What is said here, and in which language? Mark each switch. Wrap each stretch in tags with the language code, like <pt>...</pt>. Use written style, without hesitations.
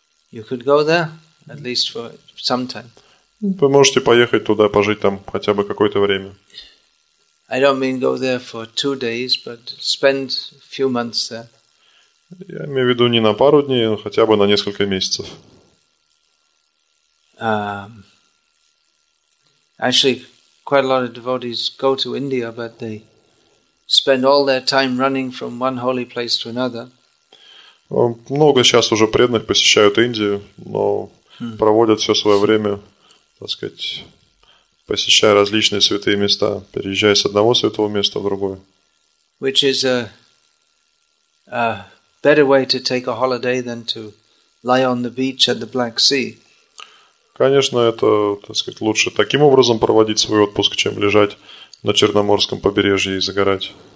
<en>You could go there, at least for some time.</en> <ru>Вы можете поехать туда, пожить там хотя бы какое-то время.</ru> <en>I don't mean go there for 2 days, but spend a few months there.</en> <ru>Я имею в виду не на пару дней, но хотя бы на несколько месяцев.</ru> <en>Actually, quite a lot of devotees go to India, but they spend all their time running from one holy place to another.</en> <ru>Много сейчас уже преданных посещают Индию, но проводят все свое время, так сказать, посещая различные святые места, переезжая с одного святого места в другое.</ru> <en>Which is a better way to take a holiday than to lie on the beach at the Black Sea.</en> <ru>Конечно, это, так сказать, лучше таким образом проводить свой отпуск, чем лежать на Черноморском побережье и загорать.</ru>